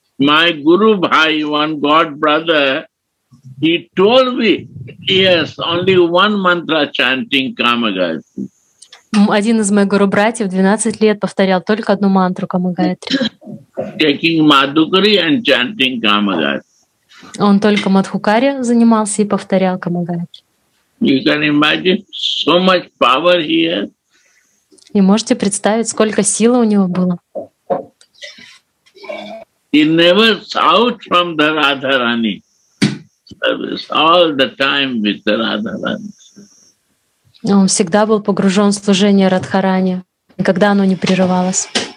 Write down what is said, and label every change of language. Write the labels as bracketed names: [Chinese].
[English] My guru bhai, one god brother, he told me, yes, only one mantra chanting Камагаятри. [Russian] Один из моих гуру-братьев 12 лет повторял только одну мантру Камагаятри. [English] Taking Madhukari and chanting Камагаятри. [Russian] Он только Мадхукари занимался и повторял Камагаятри. [English] You can imagine so much power he has. [Russian] И можете представить, сколько силы у него было. [English] He never out from the Radharani. All the time with the Radharani. [Russian] Он всегда был погружен в служение Радхарани, никогда оно не прерывалось.